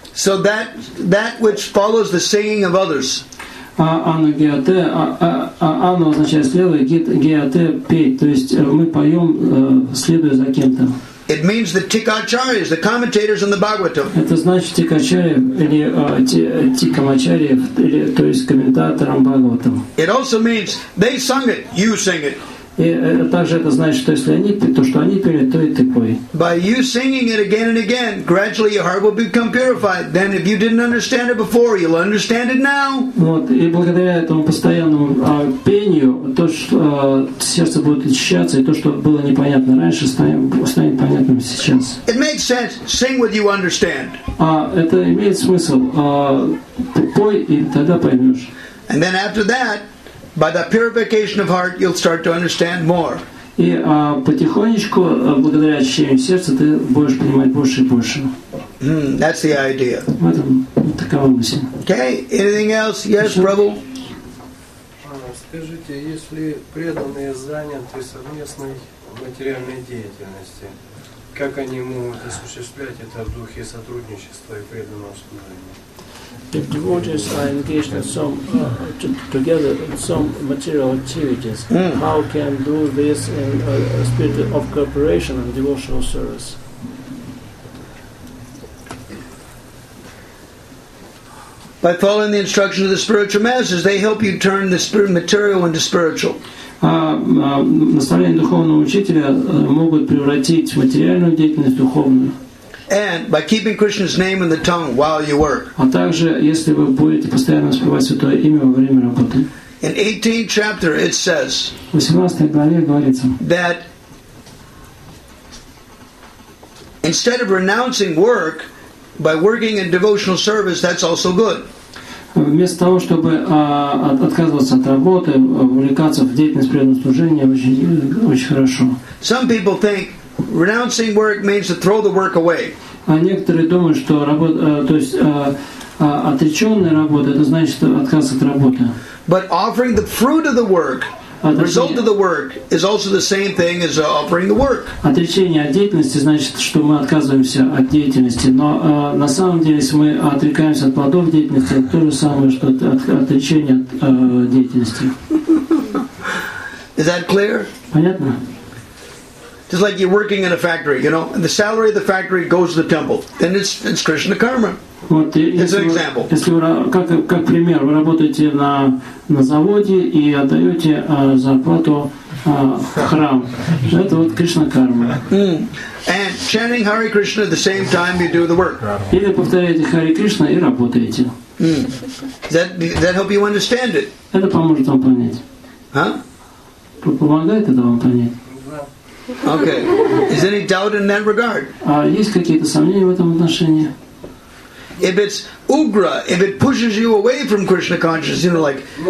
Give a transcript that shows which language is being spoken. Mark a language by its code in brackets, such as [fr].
[en] So that which follows the singing of others. [sa] Anugiyate. [ru] Anu означает следовать. Giyate петь. То есть мы поем, следуя за кем-то. [en] It means the Tikacharyas, the commentators on the Bhagavatam. [ru] Это значит Тикачарья или Тикамачарья, то есть комментаторам Бхагаватам. [en] It also means they sung it, you sing it. [ru] И также это значит, что если они пели, то что они пели, то и ты пой. [en] By you singing it again and again, gradually your heart will become purified. Then if you didn't understand it before, you'll understand it now. [ru] Вот, и благодаря этому постоянному пению, то, что сердце будет очищаться, и то, что было непонятно раньше, станет понятным сейчас. [en] It makes sense. Sing what you understand. [ru] Это имеет смысл. Пой, и тогда поймешь. [en] And then after that, by the purification of heart, you'll start to understand more. [ru] И потихонечку, благодаря очищению сердца, ты будешь понимать больше и больше. [en] That's the idea. [ru] Вот такова мысль. [en] Okay. Anything else? Yes, brother. [ru] Скажите, если преданные заняты совместной материальной деятельности, как они могут осуществлять это в духе сотрудничества и преданного служения? [en] If devotees are engaged in some together in some material activities, how can do this in a spirit of cooperation and devotional service? By following the instructions of the spiritual masters, they help you turn the material into spiritual. [ru] Наставления духовного учителя могут превратить материальную деятельность в духовную. [en] And by keeping Krishna's name in the tongue while you work. [ru] А также, если вы будете постоянно воспевать Святое Имя во время работы. [en] In 18th chapter it says. [ru] В 18 главе говорится. [en] That instead of renouncing work, by working in devotional service, that's also good. [ru] Вместо того, чтобы отказываться от работы, увлекаться в деятельность преданного служения, очень хорошо. [en] Some people think renouncing work means to throw the work away. [ru] Некоторые думают, что отреченная работа — это значит отказ от работы. [en] But offering the fruit of the work, the result of the work, is also the same thing as offering the work. [ru] Отречение от деятельности значит, что мы отказываемся от деятельности. Но на самом деле, если мы отрекаемся от плодов деятельности, это то же самое, что отречение от деятельности. [en] Is that clear? [ru] Понятно? [en] It's like you're working in a factory, you know, and the salary of the factory goes to the temple. Then it's Krishna karma. [ru] Вот, [en] as an example. [ru] Вы, если вы, как пример, вы работаете на заводе и отдаете зарплату храм. Это вот Кришна карма. Mm. [en] And chanting Hare Krishna at the same time you do the work. [ru] Или повторяете Hare Krishna и работаете. [en] Mm. That help you understand it? [ru] Это поможет вам понять. Huh? Помогает это вам понять? [en] Okay. Is any doubt in that regard? [ru] Есть какие-то сомнения в этом отношении? [en] If it's ugra, if it pushes you away from Krishna consciousness, you know, like...